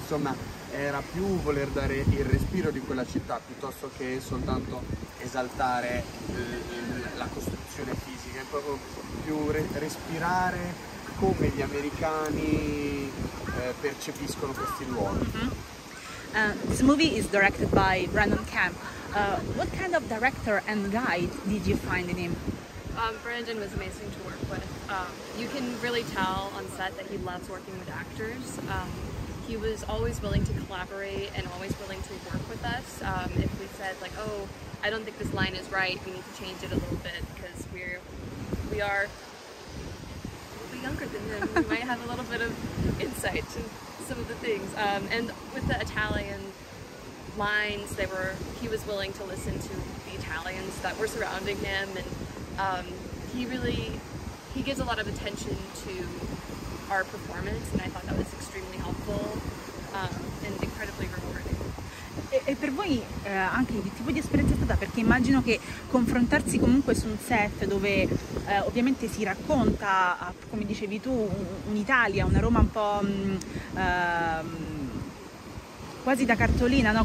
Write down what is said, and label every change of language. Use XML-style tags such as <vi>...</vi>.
<it>Insomma, era più voler dare il respiro di quella città piuttosto che soltanto esaltare la costruzione fisica. È proprio più respirare come gli americani percepiscono questi luoghi.</it> <en>This movie is directed by Brandon Camp. What kind of director and guide did you find in him? Brandon was amazing to work with. You can really tell on set that he loves working with actors. He was always willing to collaborate and always willing to work with us. If we said like, oh, I don't think this line is right, we need to change it a little bit because we are younger than him, we might have a little bit of insight to some of the things. And with the Italian lines, he was willing to listen to the Italians that were surrounding him, and he gives a lot of attention to our performance, and I thought that was extremely helpful and incredibly rewarding.</en> <it>E per voi anche che tipo di esperienza è stata? Perché immagino che confrontarsi comunque su un set dove ovviamente si racconta, come dicevi tu, un'Italia, una Roma un po' quasi da cartolina, no?</it>